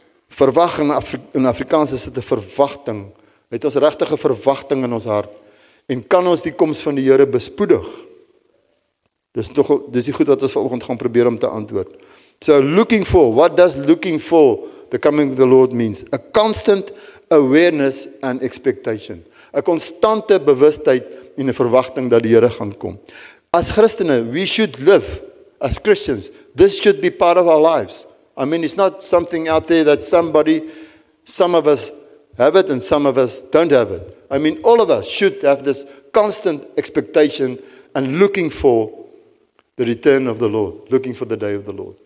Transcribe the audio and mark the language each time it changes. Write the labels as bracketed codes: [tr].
[af] Verwachten, [en] in Afrikaans is it [af] 'n verwagting. Het ons regtige verwagting in ons hart? En kan ons die koms van die Here bespoedig? Dis die goed wat ons vanoggend gaan probeer om te antwoord. [en] So looking for, what does looking for the coming of the Lord means? A constant awareness and expectation. [af] 'N konstante bewustheid en 'n verwagting dat die Here gaan kom. [en] As Christene, we should live as Christians. This should be part of our lives. I mean, it's not something out there that some of us have it and some of us don't have it. I mean, all of us should have this constant expectation and looking for the return of the Lord, looking for the day of the Lord.